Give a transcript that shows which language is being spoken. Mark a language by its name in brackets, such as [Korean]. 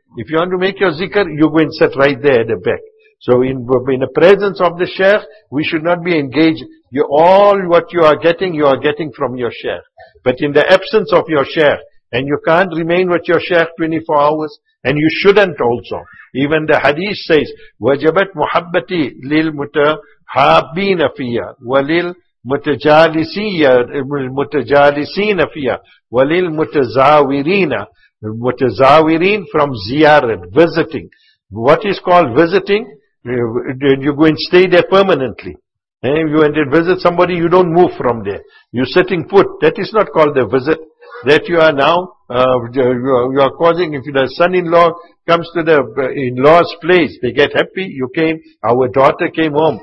[English] If you want to make your zikr, you go and sit right there at the back. So in the presence of the sheikh, we should not be engaged. All what you are getting from your sheikh. But in the absence of your sheikh, and you can't remain with your sheikh 24 hours, and you shouldn't also. Even the hadith says, [Arabic] وَجَبَتْ مُحَبَّتِ لِلْمُتَحَابِينَ فِيَا وَلِلْمُتَجَالِسِينَ فِيَا وَلِلْمُتَزَاوِرِينَ مُتَزَاوِرِينَ [English] from ziyarat, visiting. What is called visiting? You go and stay there permanently. And you went and visit somebody, you don't move from there. You're sitting put. That is not called the visit. That you are now, you are causing, if the son-in-law comes to the in-law's place, they get happy, you came, our daughter came home.